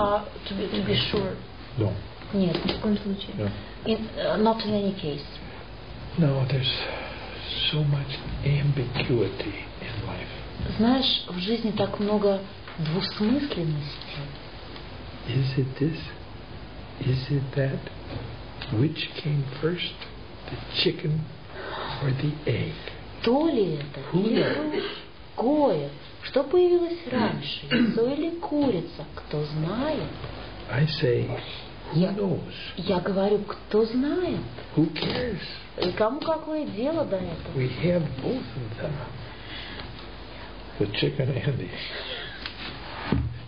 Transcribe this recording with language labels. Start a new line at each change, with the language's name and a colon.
English: To be sure. No.
Russian: Нет, ни в коем случае.
English: No. Not in any case. No, there's so much ambiguity in life.
Russian: Знаешь, в жизни так много двусмысленности.
English: Is it this? Is it that? Which came first, the chicken or the egg?
Russian: То ли это, или кое, что появилось раньше, яйцо или курица, кто знает?
English: I say, who knows?
Russian: Я говорю, кто знает?
English: Who cares?
Russian: И кому какое дело до этого?
English: We have both of them, the chicken and the egg.